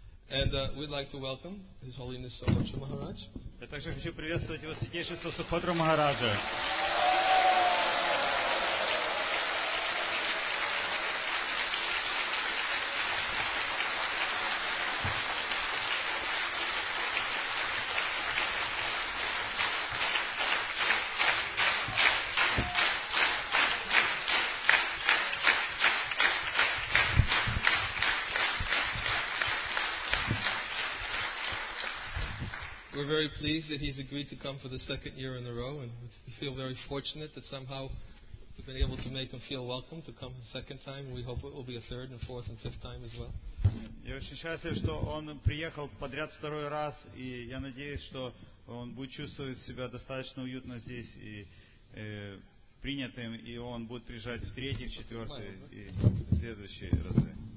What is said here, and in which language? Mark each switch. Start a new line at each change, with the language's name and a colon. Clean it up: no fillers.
English: And we'd like to welcome His Holiness Sukhadra Maharaj.
Russian: Я также хочу приветствовать Его Святейшество Сукхадру Махараджа.
English: Pleased that he's agreed to come for the second year in a row, and we feel very fortunate that somehow we've been able to make him feel welcome to come a second time. We hope it will be a third and fourth and fifth time as well.
Russian: Я очень счастлив, что он приехал подряд второй раз, и я надеюсь, что он будет чувствовать себя достаточно уютно здесь и принятым, и он будет приезжать в третий, в четвертый и следующие разы.